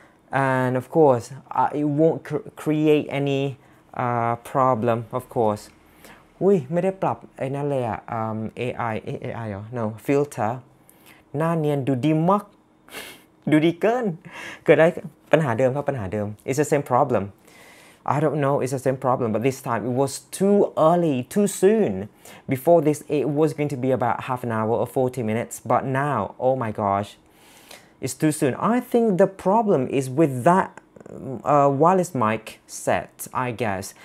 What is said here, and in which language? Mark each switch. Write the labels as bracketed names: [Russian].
[English] And of course, it won't create any problem, of course. [Thai] อุ้ยไม่ได้ปรับไอ้นั่นเลยอ่ะ AI เหรอ [English] No, filter. [Thai] หน้าเนียนดูดีมากดูดีเกินเกิดอะไรปัญหาเดิมครับปัญหาเดิม [English] It's the same problem. I don't know, it's the same problem, but this time it was too early, too soon. Before this, it was going to be about half an hour or 40 minutes, but now, oh my gosh, it's too soon. I think the problem is with that wireless mic set, I guess.